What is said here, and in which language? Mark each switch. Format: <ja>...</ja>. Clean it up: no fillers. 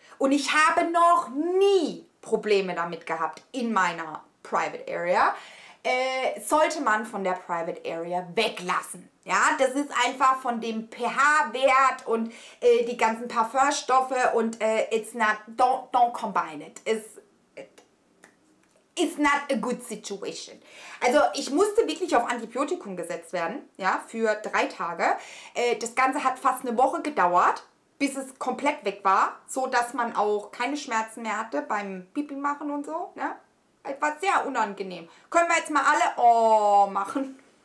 <de>Und ich habe noch nie Probleme damit gehabt in meiner Private Area, sollte man von der Private Area weglassen. Ja, das ist einfach von dem pH-Wert und die ganzen Parfumstoffe und</de> <en>don't combine it. It's not a good situation.</en> <de>Also ich musste wirklich auf Antibiotikum gesetzt werden, ja, für 3 Tage. Das Ganze hat fast 1 Woche gedauert, bis es komplett weg war, so dass man auch keine Schmerzen mehr hatte beim Pipi machen und so, ne? etwas sehr unangenehm. Können wir jetzt mal alle oh machen?</de>